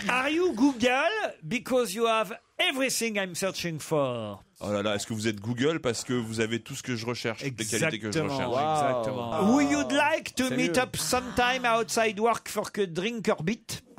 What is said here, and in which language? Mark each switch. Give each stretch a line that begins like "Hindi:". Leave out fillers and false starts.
English: Are you Google because you have everything I'm searching for ?
French: Oh là là, est-ce que vous êtes Google parce que vous avez tout ce que je recherche, les qualités que je recherche ? Wow. Exactement.
English: Would you like to meet up sometime outside work for a drink or bit ?